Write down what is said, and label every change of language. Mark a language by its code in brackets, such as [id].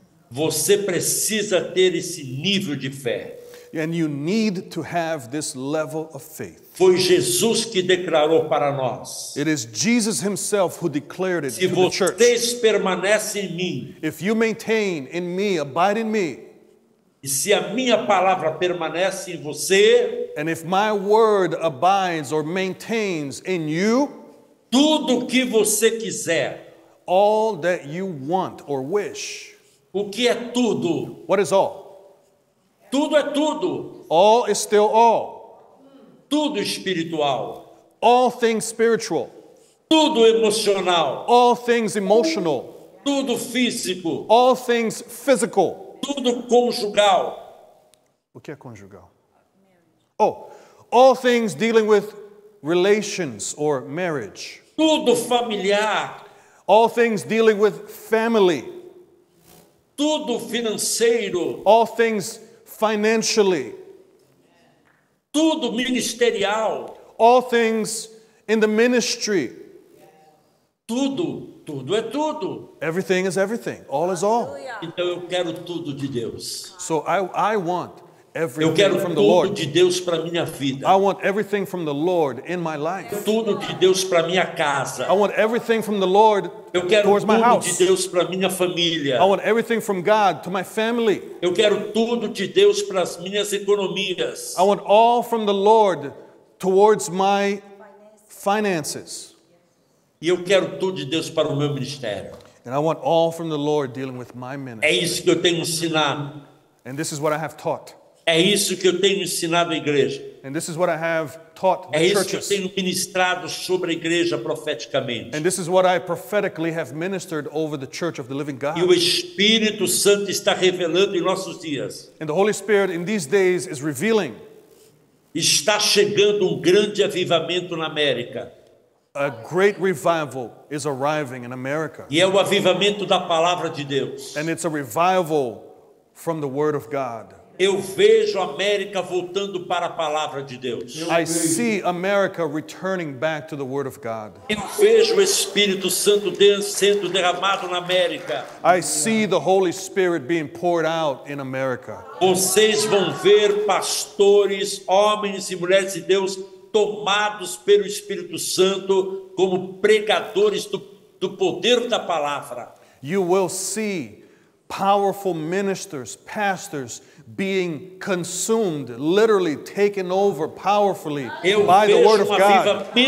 [pt] Você precisa ter esse nível de fé. [en] And you need to have this level of faith. [pt] Foi Jesus que declarou para nós. [en] It is Jesus himself who declared it [pt] se [en] to the church. [pt] Se vocês permanecem em mim. [en] If you maintain in me, abide in me. [pt] E se a minha palavra permanece em você. [en] And if my word abides or maintains in you. [pt] Tudo o que você quiser. [en] all that you want or wish. [pt] O que é tudo? [en] What is all? [pt] Tudo é tudo. [en] All is still all. [pt] Tudo espiritual. [en] All things spiritual. [pt] Tudo emocional. [en] All things emotional. [pt] Tudo físico. [en] All things physical. [pt] Tudo conjugal. O que é conjugal? [en] Oh, all things dealing with relations or marriage. [pt] Tudo familiar. [en] All things dealing with family. [pt] Tudo financeiro. [en] All things financially. [pt] Tudo ministerial. [en] All things in the ministry. [pt] Tudo, tudo é tudo. [en] Everything is everything. All is all. [pt] Então eu quero tudo de Deus. [en] So I want everything from the Lord. [pt] Eu quero tudo de Deus para minha vida. [en] I want everything from the Lord in my life. [pt] Tudo de Deus para minha casa. [en] I want everything from the Lord towards my house. [pt] Eu quero tudo de Deus para minha família. [en] I want everything from God to my family. [pt] Eu quero tudo de Deus para as minhas economias. [en] I want all from the Lord towards my finances. [pt] E eu quero tudo de Deus para o meu ministério. [en] And I want all from the Lord dealing with my ministry. [pt] É isso que eu tenho ensinado. [en] And this is what I have taught. [pt] É isso que eu tenho ensinado a igreja. [en] And this is what I have taught the churches. [pt] É isso que eu tenho ministrado sobre a igreja profeticamente. [en] And this is what I prophetically have ministered over the church of the living God. [pt] E o Espírito Santo está revelando em nossos dias. [en] And the Holy Spirit in these days is revealing. [pt] Está chegando grande avivamento na América. [en] A great revival is arriving in America. [pt] E é o avivamento da palavra de Deus. [en] And it's a revival from the Word of God. [pt] Eu vejo a América voltando para a palavra de Deus. [en] I see America returning back to the Word of God. [pt] Eu vejo o Espírito Santo sendo derramado na América. [en] I see the Holy Spirit being poured out in America. [pt] Vocês vão ver pastores, homens e mulheres de Deus tomados pelo Espírito Santo como pregadores do poder da palavra. [en] You will see powerful ministers, pastors being consumed, literally taken over powerfully by the Word of God.